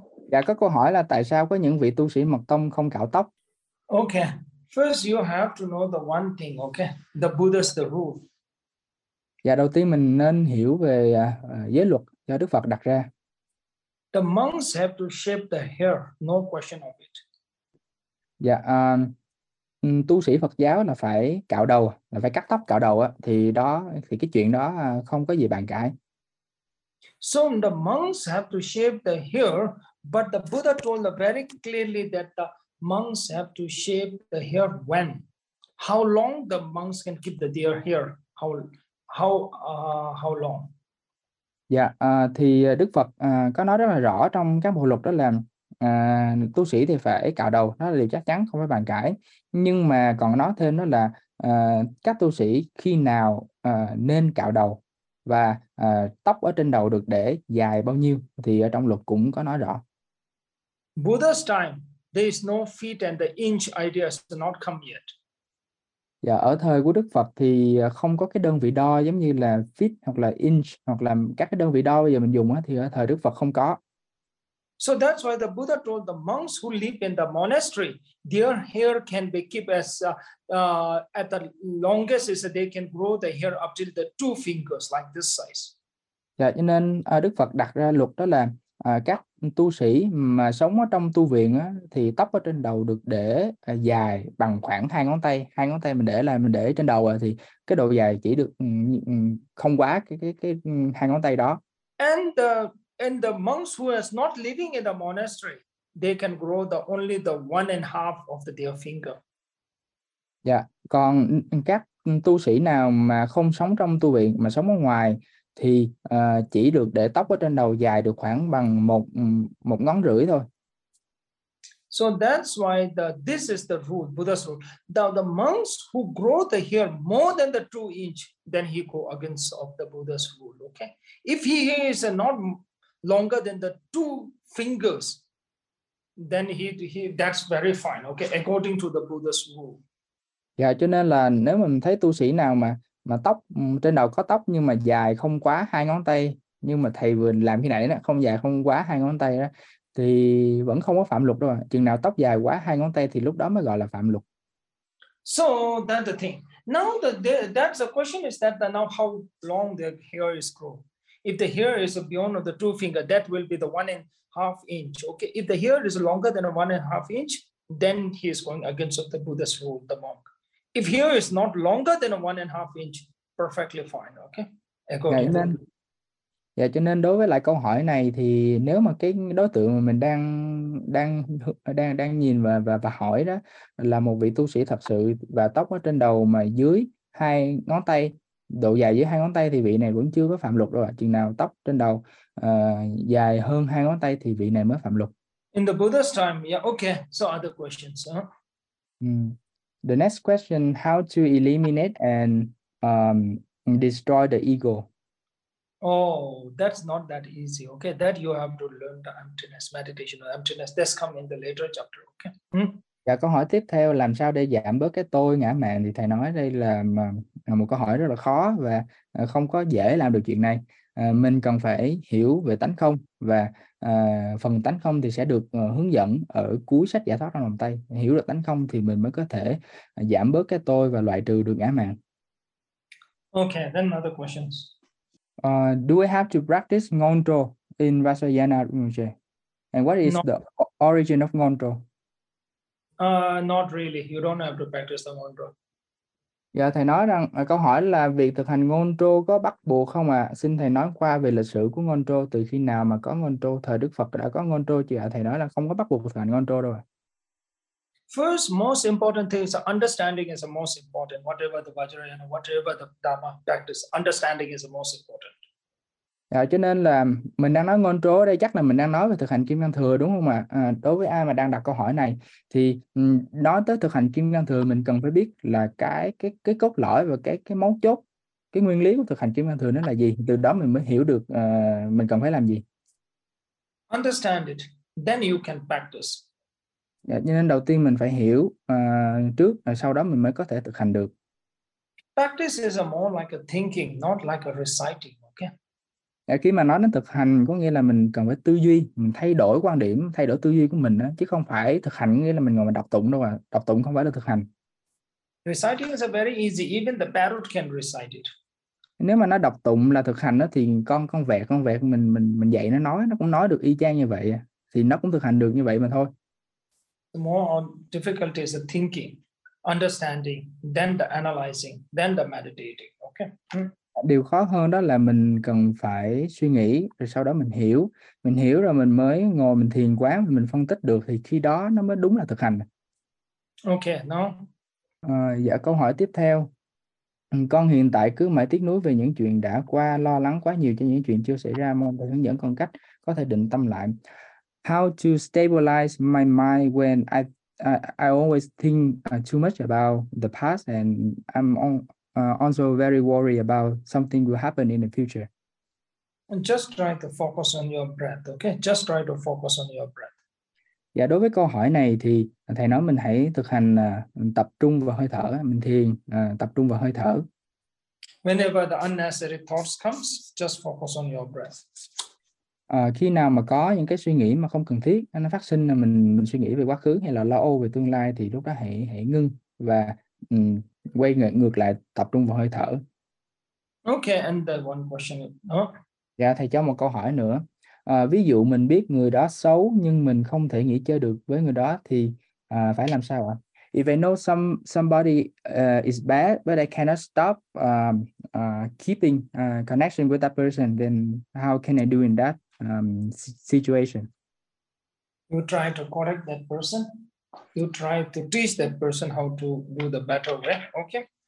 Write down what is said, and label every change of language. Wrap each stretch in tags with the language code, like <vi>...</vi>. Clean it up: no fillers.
<vi>Dạ, có câu hỏi là tại sao có những vị tu sĩ mật tông không cạo tóc?</vi> <en>Okay, first you have to know the one thing. Okay, the Buddha's the rule.</en> <vi>Dạ, đầu tiên mình nên hiểu về giới luật do Đức Phật đặt ra.</vi> <en>The monks have to shave the hair, no question of it.</en> <vi>Dạ, tu sĩ Phật giáo là phải cạo đầu, là phải cắt tóc cạo đầu á, thì cái chuyện đó không có gì bàn cãi.</vi> <en>So the monks have to shave the hair, but the Buddha told very clearly that the monks have to shave the hair when, how long the monks can keep the their hair, how long?</en> <vi>Dạ, thì Đức Phật có nói rất là rõ trong các bộ luật đó là tu sĩ thì phải cạo đầu, đó là điều chắc chắn, không phải bàn cãi. Nhưng mà còn nói thêm đó là các tu sĩ khi nào nên cạo đầu và tóc ở trên đầu được để dài bao nhiêu thì ở trong luật cũng có nói rõ.</vi> <en>Buddha's time, there is no feet and the inch idea has not come yet.</en> <vi>Dạ, ở thời của Đức Phật thì không có cái đơn vị đo giống như là feet hoặc là inch hoặc là các cái đơn vị đo bây giờ mình dùng á, thì ở thời Đức Phật không có.</vi> <en>So that's why the Buddha told the monks who live in the monastery, their hair can be kept as at the longest is that they can grow the hair up to the two fingers like this size.</en> <vi>Dạ, cho nên Đức Phật đặt ra luật đó là các tu sĩ mà sống ở trong tu viện á, thì tóc ở trên đầu được để dài bằng khoảng hai ngón tay mình để là mình để trên đầu rồi, thì cái độ dài chỉ được không quá cái hai ngón tay đó.</vi> <en>And the monks who is not living in the monastery, they can grow the only the one and half of the their finger.</en> <vi>Dạ, còn các tu sĩ nào mà không sống trong tu viện mà sống ở ngoài thì chỉ được để tóc ở trên đầu dài được khoảng bằng một ngón rưỡi thôi.</vi> <en>So that's why this is the rule, Buddha's rule. Now the monks who grow the hair more than the 2 inch, then he go against of the Buddha's rule. Okay, if he is not longer than the 2 fingers, then he that's very fine. Okay, according to the Buddha's rule.</en> <vi>Dạ, cho nên là nếu mình thấy tu sĩ nào mà tóc trên đầu có tóc nhưng mà dài không quá 2 ngón tay, nhưng mà thầy vừa làm khi nãy đó, không dài không quá 2 ngón tay đó, thì vẫn không có phạm luật đâu. Chừng nào tóc dài quá 2 ngón tay thì lúc đó mới gọi là phạm luật.</vi> <en>So that's the thing. Now that's the question is that now how long the hair is grow. If the hair is beyond the 2 finger, that will be the 1.5 inch. Okay. If the hair is longer than 1.5 inch, then he is going against the Buddha's rule, the monk. If hair is not longer than 1.5 inch, perfectly fine. Okay. According to the rule.</en> <vi>Dạ, cho nên đối với lại câu hỏi này thì nếu mà cái đối tượng mà mình đang đang đang đang nhìn và hỏi đó là một vị tu sĩ thật sự và tóc ở trên đầu mà dưới 2 ngón tay, độ dài dưới 2 ngón tay thì vị này vẫn chưa có phạm luật đâu ạ. Chừng nào tóc trên đầu dài hơn 2 ngón tay thì vị này mới phạm luật.</vi> <en>In the Buddha's time, yeah, okay. So other questions, huh? The next question, how to eliminate and destroy the ego? Oh, that's not that easy. Okay, that you have to learn the emptiness, meditation or emptiness. That's come in the later chapter. Okay.</en> <vi>Dạ, câu hỏi tiếp theo, làm sao để giảm bớt cái tôi ngã mạn? Thì thầy nói đây là một câu hỏi rất là khó và không có dễ làm được chuyện này. Mình cần phải hiểu về tánh không và phần tánh không thì sẽ được hướng dẫn ở cuối sách giải thoát trong lòng tay. Hiểu được tánh không thì mình mới có thể giảm bớt cái tôi và loại trừ được ngã mạn.</vi> <en>Okay, then other questions. Do we have to practice Ngontro in Vajrayana Rinpoche? And what is the origin of Ngontro? Not really. You don't have to practice the Ngontro.</en> <vi>Dạ, thầy nói rằng, câu hỏi là việc thực hành Ngontro có bắt buộc không ạ? Xin thầy nói qua về lịch sử của Ngontro, từ khi nào mà có Ngontro, thời Đức Phật đã có Ngontro chưa ạ? Thầy nói là không có bắt buộc thực hành Ngontro đâu ạ.</vi> <en>First, most important thing is understanding is the most important. Whatever the Vajrayana, whatever the Dharma practice, understanding is the most important.</en> <vi>Dạ, cho nên là mình đang nói ngôn trố đây, chắc là mình đang nói về thực hành Kim Cang Thừa đúng không ạ? Đối với ai mà đang đặt câu hỏi này thì nói tới thực hành Kim Cang Thừa, mình cần phải biết là cái cốt lõi và cái mấu chốt, cái nguyên lý của thực hành Kim Cang Thừa nó là gì. Từ đó mình mới hiểu được mình cần phải làm gì.</vi> <en>Understand it, then you can practice.</en> <vi>Dạ, cho nên đầu tiên mình phải hiểu trước, rồi sau đó mình mới có thể thực hành được.</vi> <en>Practice is a more like a thinking, not like a reciting.</en> <vi>Khi mà nói đến thực hành có nghĩa là mình cần phải tư duy, mình thay đổi quan điểm, thay đổi tư duy của mình đó, chứ không phải thực hành nghĩa là mình ngồi mà đọc tụng đâu ạ. Đọc tụng không phải là thực hành.</vi> <en>Reciting is a very easy, even the parrot can recite it.</en> <vi>Nếu mà nó đọc tụng là thực hành đó, thì con vẹt mình dạy nó cũng nói được y chang như vậy, thì nó cũng thực hành được như vậy mà thôi.</vi> <en>The more difficulty is the thinking, understanding, then the analyzing, then the meditating. Okay.</en> <vi>Điều khó hơn đó là mình cần phải suy nghĩ, rồi sau đó mình hiểu. Mình hiểu rồi mình mới ngồi mình thiền quán, mình phân tích được, thì khi đó nó mới đúng là thực hành.</vi> <en>Okay, no.</en> <vi>Dạ, câu hỏi tiếp theo. Con hiện tại cứ mãi tiếc nuối về những chuyện đã qua, lo lắng quá nhiều cho những chuyện chưa xảy ra, mong thầy hướng dẫn con cách có thể định tâm lại.</vi> <en>How to stabilize my mind when I always think too much about the past and I'm on... also very worried about something will happen in the future. And just try to focus on your breath, okay? Just try to focus on your breath.</en> <vi>Dạ, đối với câu hỏi này thì thầy nói mình hãy thực hành tập trung vào hơi thở, mình thiền tập trung vào hơi thở.</vi> <en>Whenever the unnecessary thoughts comes, just focus on your breath.</en> <vi>Khi nào mà có những cái suy nghĩ mà không cần thiết, nó phát sinh là mình suy nghĩ về quá khứ hay là lo âu về tương lai, thì lúc đó hãy ngưng và quay ngược lại tập trung vào hơi thở.</vi> <en>Okay, and the one question.</en> <vi>Dạ, thầy cho một câu hỏi nữa. Ví dụ mình biết người đó xấu nhưng mình không thể nghỉ chơi được với người đó thì phải làm sao ạ?</vi> <en>If I know somebody is bad but I cannot stop keeping connection with that person, then how can I do in that situation? You try to correct that person. You try to teach that person how to do the better way, okay?</en>